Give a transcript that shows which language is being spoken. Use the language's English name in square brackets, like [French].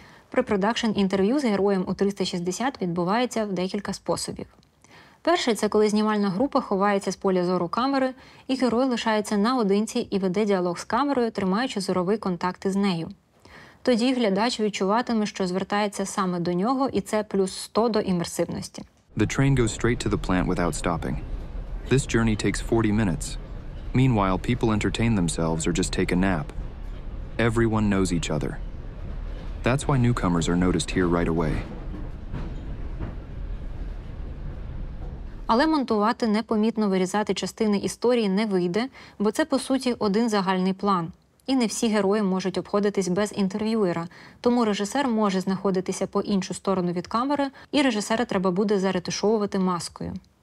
[Ukrainian] Препродакшн інтерв'ю з героєм у 360 відбувається в декілька способів. Перший – це коли знімальна група ховається з поля зору камери, і герой лишається наодинці і веде діалог з камерою, тримаючи зоровий контакт із нею. Тоді глядач відчуватиме, що звертається саме до нього, і це плюс 100 до імерсивності. [English] The train goes straight to the plant without stopping. This journey takes 40 minutes. Meanwhile, people entertain themselves or just take a nap. Everyone knows each other. That's why newcomers are noticed here right away. [Ukrainian] Але монтувати непомітно вирізати частини історії не вийде, бо це по суті один загальний план. І не всі герої можуть обходитись без інтерв'юера, тому режисер може знаходитися по іншу сторону від камери, і режисера треба буде заретушовувати маскою.